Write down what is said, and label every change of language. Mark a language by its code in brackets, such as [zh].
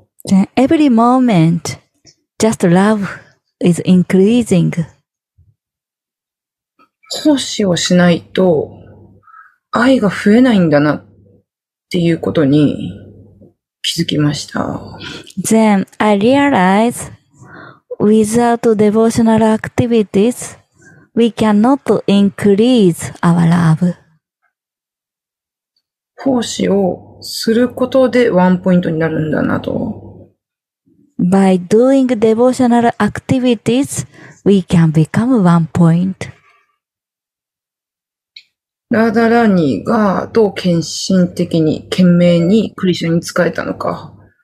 [en] Then every moment,Just love is increasing. [ja] 奉仕をしないと愛が増えないんだなっていうことに気づきました。 [en] Then I realize without devotional activities, we cannot increase our love. [ja] 奉仕をすることでワンポイントになるんだなと。 [en] By doing devotional activities, we can become one point. [ja] ラーダラーニーがどう献身的に、懸命にクリシュナに仕えたのか。